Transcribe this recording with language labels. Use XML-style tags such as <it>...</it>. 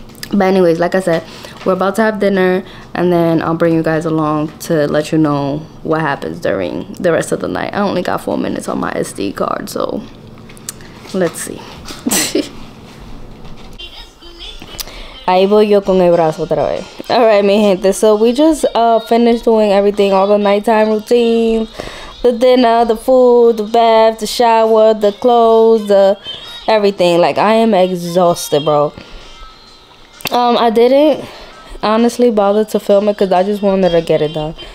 <en>But anyways, like I said, we're about to have dinner, and then I'll bring you guys along to let you know what happens during the rest of the night. I only got 4 minutes on my SD card, so let's see.</en> <es>Ahí voy yo con el brazo otra vez.</es> <en>All right,</en> <es>mi gente,</es> <en>so we just finished doing everything, all the nighttime routines, the dinner, the food, the bath, the shower, the clothes, the everything. Like, I am exhausted, bro. I didn't honestly bother to film it because I just wanted to get it done.</en>